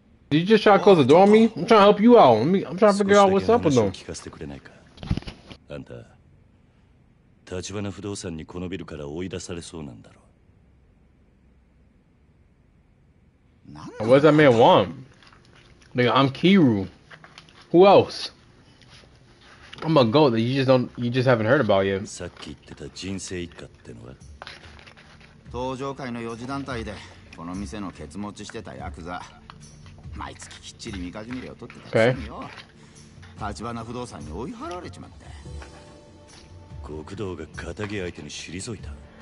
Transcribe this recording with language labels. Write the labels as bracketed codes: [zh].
[en] Did you just try to close the door on me? I'm trying to help you out. I'm trying to figure out what's up with them. [ja] 聞かせてくれないか。あんた、立花不動産にこのビルから追い出されそうなんだろう。 [en] What does that man want? Nigga, I'm Kiru. Who else? I'm a goat that you just haven't heard about yet. [ja] さっき言ってた人生一家ってのは登場会の四次団体でこの店のケツ持ちしてたヤクザ毎月きっちり三日じみ料を取ってたくせによ立花不動産に追い払われちまって極道が敵相手に退いた